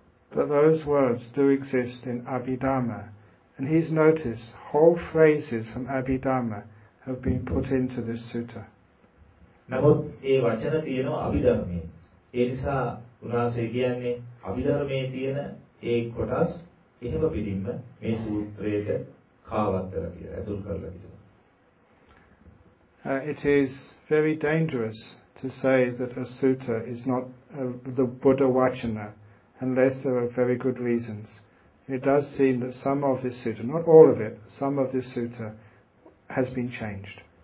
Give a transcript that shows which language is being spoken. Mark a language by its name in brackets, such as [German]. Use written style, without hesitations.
[English] But those words do exist in Abhidhamma, and he's noticed whole phrases from Abhidhamma have been put into this sutta. [Sinhala] නමුත් ඒ වචන තියෙනවා අභිධර්මයේ. ඒ නිසා උනාසේ කියන්නේ අභිධර්මයේ තියෙන ඒ කොටස් එහෙම පිටින්ම මේ සූත්‍රයට කාවද්දලා කියලා අතුල් කරලා තියෙනවා. [English] It is very dangerous to say that a sutta is not the Buddha Vachana unless there are very good reasons. It does seem that some of this sutta, not all of it, some of this sutta has been changed.